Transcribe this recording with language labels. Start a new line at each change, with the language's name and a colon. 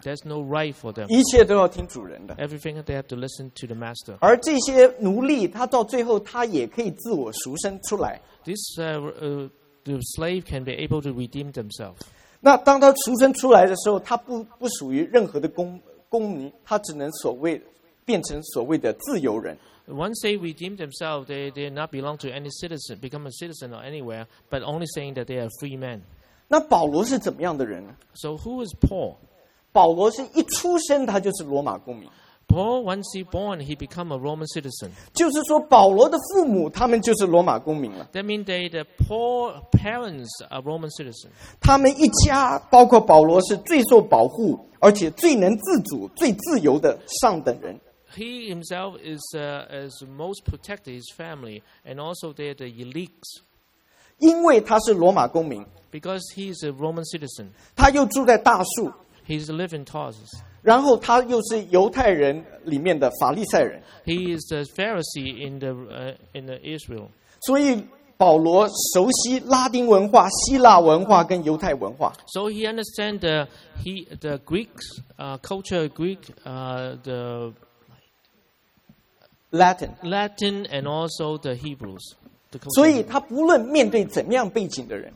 English: There's no right for them.
Chinese: 一切都要听主人的。
English: Everything they have to listen to the master.
Chinese: 而这些奴隶，他到最后他也可以自我赎身出来。
English: This the slave can be able to redeem themselves.
Chinese: 那当他赎身出来的时候，他不属于任何的公民，他只能所谓变成所谓的自由人。
English: Once they redeem themselves, they not belong to any citizen, become a citizen or anywhere, but only saying that they are free men.
Chinese: 那保罗是怎么样的人呢
English: ？So who is Paul?
Chinese: 保罗是一出生他就是罗马公民。
English: Paul once he born he become a Roman citizen.
Chinese: 就是说保罗的父母他们就是罗马公民了。
English: That means they the Paul parents are Roman citizens.
Chinese: 他们一家包括保罗是最受保护而且最能自主最自由的上等人。
English: He himself is most protected his family and also they're the elites.
Chinese: 因为他是罗马公民
English: ，because he is a Roman citizen，
Chinese: 他又住在大树
English: ，he is living Tarsus，
Chinese: 然后他又是犹太人里面的法利赛人
English: ，he is a Pharisee in the Israel，
Chinese: 所以保罗熟悉拉丁文化、希腊文化跟犹太文化
English: ，so he understand the Greeks culture Greek the Latin and also the Hebrews。
Chinese: 所以他不论面对怎么样背景的人